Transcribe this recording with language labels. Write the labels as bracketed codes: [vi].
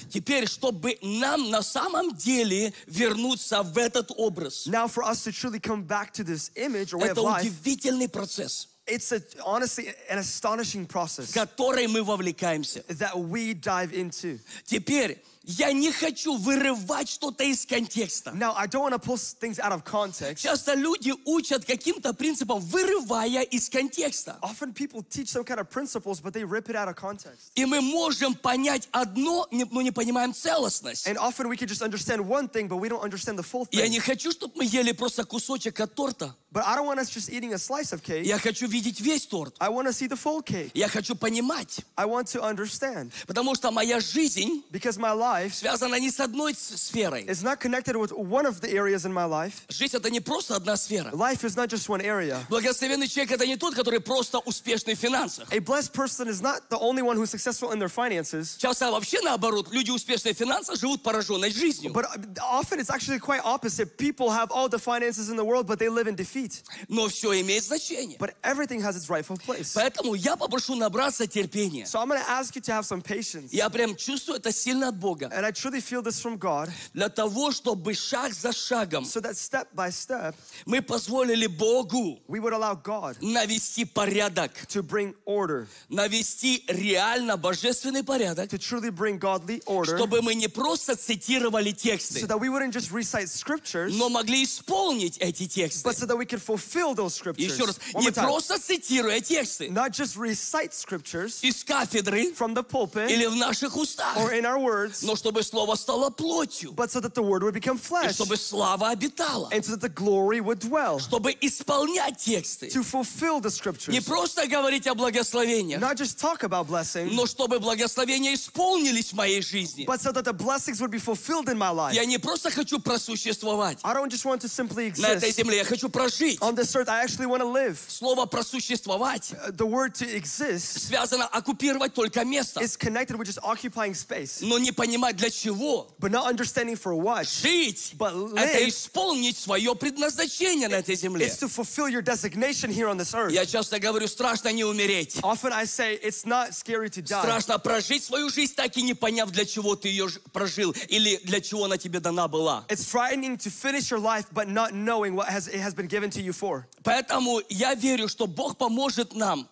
[ru] Теперь, чтобы нам на самом деле вернуться в этот образ. [en] Now for us to truly come back to this image or way of life. [ru] Это удивительный процесс. [en] It's a, honestly an astonishing process. [ru] В который мы вовлекаемся. [en] That we dive into. [ru] Теперь, я не хочу вырывать что-то из контекста. [en] Now, I don't want to pull things out of context. [ru] Часто люди учат каким-то принципам, вырывая из контекста. [en] Often people teach some kind of principles, but they rip it out of context. [ru] И мы можем понять одно, но не понимаем целостность. [en] And often we can just understand one thing, but we don't understand the full thing. [ru] Я не хочу, чтобы мы ели просто кусочек от торта. [en] But I don't want us just eating a slice of cake. [ru] Я хочу видеть весь торт. [en] I want to see the full cake. [ru] Я хочу понимать. [en] I want to understand. [ru] Потому что моя жизнь... [en] Because my life [ru] связана не с одной сферой. [en] It's not connected with one of the areas in my life. [ru] Жизнь — это не просто одна сфера. [en] Life is not just one area. [ru] Благословенный человек — это не тот, который просто успешный в финансах. [en] A blessed person is not the only one who's successful in their finances. [ru] Часто вообще наоборот. Люди успешные в финансах живут пораженной жизнью. [en] But often it's actually quite opposite. People have all the finances in the world, but they live in defeat. [ru] Но все имеет значение. [en] But everything has its rightful place. [ru] Поэтому я попрошу набраться терпения. [en] So I'm going to ask you to have some patience. [ru] Я прям чувствую это сильно от Бога. [en] And I truly feel this from God. [ru] Для того, чтобы шаг за шагом, [en] so that step by step, [ru] мы позволили Богу, [en] we would allow God, [ru] навести порядок, [en] to bring order, [ru] навести реально божественный порядок, [en] to truly bring godly order, [ru] чтобы мы не просто цитировали тексты, [en] so that we wouldn't just recite scriptures, [ru] но могли исполнить эти тексты, [en] but so that we could fulfill those scriptures. [ru] Еще раз, не просто цитируя тексты, [en] not just recite scriptures, [ru] из кафедры, [en] from the pulpit, [ru] или в наших устах, [en] or in our words. [ru] Но чтобы слово стало плотью. [en] But so that the word would become flesh. [ru] И чтобы слава обитала. [en] And so that the glory would dwell. [ru] Чтобы исполнять тексты. [en] To fulfill the scriptures. [ru] Не просто говорить о благословениях. [en] Not just talk about blessings. [ru] Но чтобы благословения исполнились в моей жизни. [en] But so that the blessings would be fulfilled in my life. [ru] Я не просто хочу просуществовать. [en] I don't just want to simply exist. [ru] На этой земле я хочу прожить. [en] On this earth I actually want to live. [ru] Слово просуществовать. [en] The word to exist. [ru] Связано оккупировать только место. [en] Is connected with just occupying space. [ru] Но не понимать для чего. [en] But not understanding for what. [ru] Жить. [en] But live. [ru] Это исполнить свое предназначение на этой земле. [en] It's to fulfill your designation here on this earth. [ru] Я часто говорю, страшно не умереть. [en] Often I say, it's not scary to die. [ru] Страшно прожить свою жизнь, так и не поняв, для чего ты ее прожил, или для чего она тебе дана была. [en] It's frightening to finish your life, but not knowing what it has been given to you for. [ru] Поэтому я верю, что Бог поможет нам.